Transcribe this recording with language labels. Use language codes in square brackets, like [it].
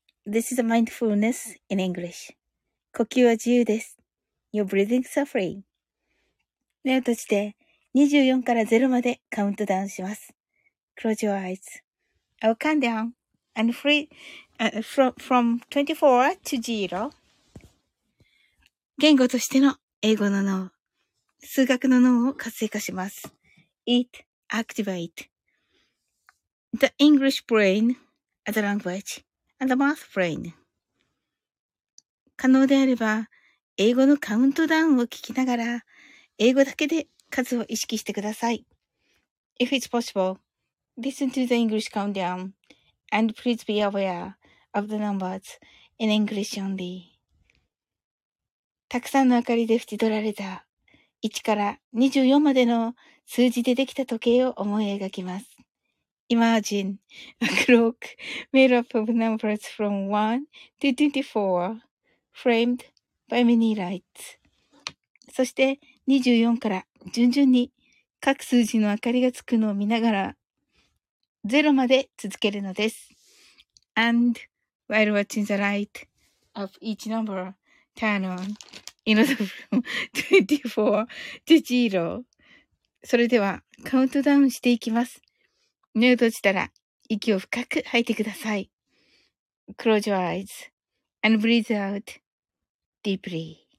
[en] This is a mindfulness in English. [ja] 呼吸は自由です。 [en] Your breathing is free. [ja] 目を閉じて24から0までカウントダウンします。 [en] Close your eyes. I'll count down. And from 24 to 0. [ja] 言語としての英語の脳、数学の脳を活性化します。 [en] It activate the English brain, the language, and the math brain. [ja] 可能であれば、英語のカウントダウンを聞きながら、英語だけで数を意識してください。 [en] If it's possible, listen to the English countdown. And please be aware of the numbers in English only. [ja] たくさんの明かりで縁取られた1から24までの数字でできた時計を思い描きます。 [en] Imagine a clock made up of numbers from 1 to 24 framed by many lights. [ja] そして24から順々に各数字の明かりがつくのを見ながらゼロまで続けるのです。 [en] And while watching the light of each number turn on in order from 24 to 0. [ja] それではカウントダウンしていきます。目を閉じたら息を深く吐いてください。 [en] Close your eyes and breathe out deeply.